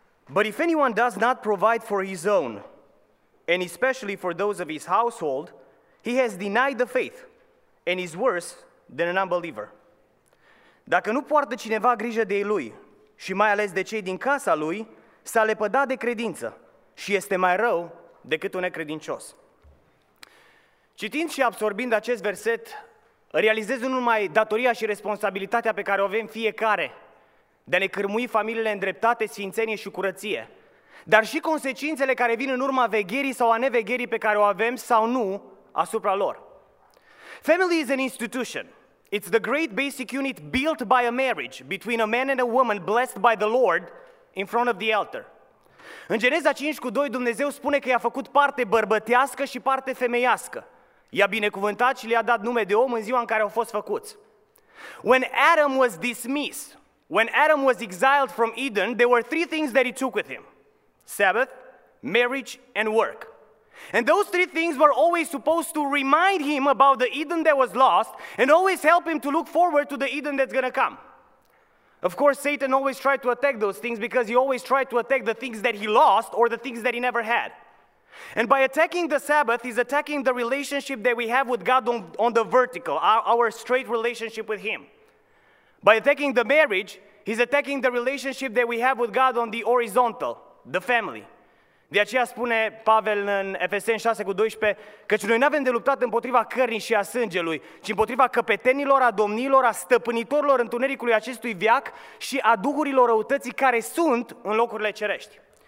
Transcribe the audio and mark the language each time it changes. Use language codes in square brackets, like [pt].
[en] But if anyone does not provide for his own, and especially for those of his household, he has denied the faith, and is worse than an unbeliever. [ro] Dacă nu poartă cineva grijă de ei lui, și mai ales de cei din casa lui, s-a lepădat de credință și este mai rău decât un necredincios. Citind și absorbind acest verset, realizez nu numai datoria și responsabilitatea pe care o avem fiecare de a ne cârmui familiile în dreptate, sfințenie și curăție, dar și consecințele care vin în urma vegherii sau a nevegherii pe care o avem sau nu asupra lor. [en] Family is an institution. It's the great basic unit built by a marriage between a man and a woman blessed by the Lord in front of the altar. [ro] În Geneza 5:2, Dumnezeu spune că i-a făcut parte bărbătească și parte femeiască. I-a binecuvântat și le-a dat nume de om în ziua în care au fost făcuți. [en] When Adam was dismissed, when Adam was exiled from Eden, there were three things that he took with him: Sabbath, marriage, and work. And those three things were always supposed to remind him about the Eden that was lost and always help him to look forward to the Eden that's going to come. Of course, Satan always tried to attack those things because he always tried to attack the things that he lost or the things that he never had. And by attacking the Sabbath, he's attacking the relationship that we have with God on the vertical, our straight relationship with him. By attacking the marriage, he's attacking the relationship that we have with God on the horizontal, the family. [ro] De aceea spune Pavel în Efeseni 6:12, căci noi nu avem de luptat împotriva cărnii și a sângelui, ci împotriva căpetenilor, a domnilor, a stăpânitorilor întunericului acestui veac și a duhurilor răutății care sunt în locurile cerești.